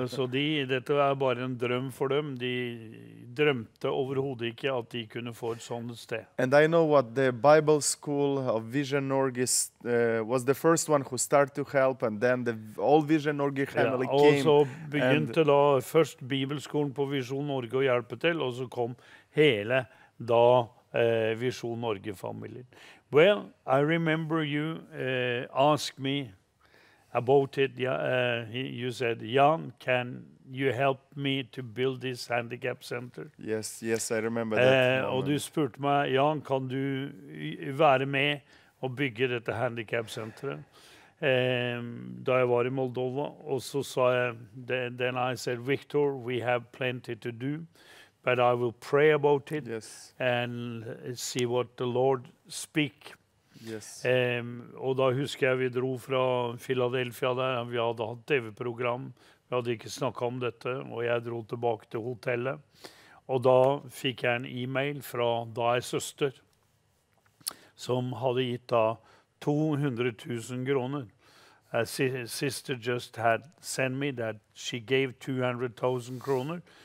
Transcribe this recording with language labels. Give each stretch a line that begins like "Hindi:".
Norwegian: Så dette var bare en drøm for dem. De drømte overhovedet ikke at de kunne få et sånt sted.
English: And I know what the Bible school of Vision Norge was the first one who started to help, and then the all Vision Norge family came.
Norwegian: Og så begynte da først Bibelskolen på Vision Norge å hjelpe til, og så kom hele da Vision Norge-familien.
English: Well, I remember you asked me about it. You said, Jan, can you help me to build this handicap center? Yes, yes, I remember that.
Norwegian: Og du spurte meg, Jan, kan du være med og bygge dette handicap centeret? Da jeg var i Moldova, og så sa jeg,
English: then I said, Victor, we have plenty to do. But I will pray about it, yes, and see what the Lord speak. Yes.
Norwegian: Og da husker jeg vi dro fra Philadelphia der, vi hadde hatt TV-program, vi hadde ikke snakket om dette, og jeg dro tilbake til hotellet. Og da fikk jeg en e-mail fra da en søster, som hadde gitt da 200 000 kroner.
English: A sister just had sent me that she gave 200 000 kroner,